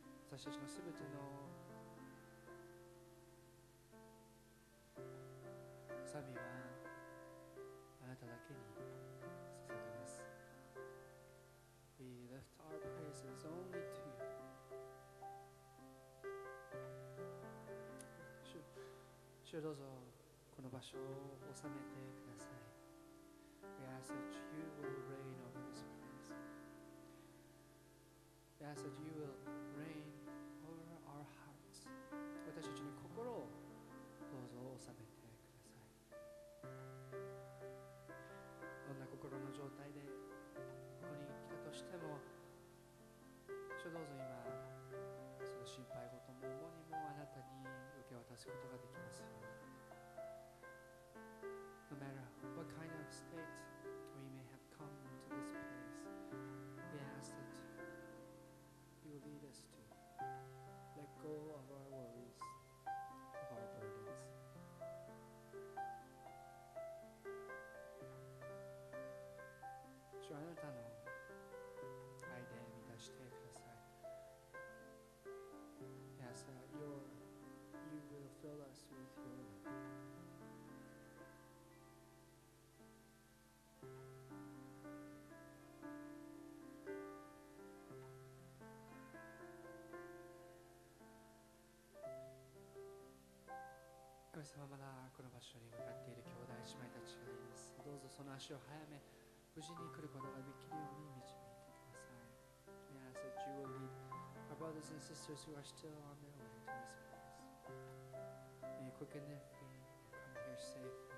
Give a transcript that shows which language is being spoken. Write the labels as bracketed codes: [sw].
[ja] 私たちのすべての賛美はあなただけに捧げます。 [en] We lift our praises only to you。 [ja] 主よ、どうぞこの場所を治めてください。 [en] We ask that you will reign over this place。 We ask that you will reign over our hearts。 [ja] 私たちの心をどうぞ治めてください。どんな心の状態でここに来たとしても主よ、どうぞ今その心配事も重荷もあなたに受け渡すことができますように。 [en] No matter what kind of state we may have come into this place, we ask that you lead us to let go of our worries, of our burdens. [ja] So, あなたの愛で満たしてください。 [en] We ask that you will fill us with your love. [ja] 神様、まだこの場所に向かっている兄弟姉妹たちがいます。どうぞその足を早め無事に来ることができるように導いてください。 [en] We ask that you will lead our brothers and sisters who are still on their way to this place. May you quicken their feet and come here safely.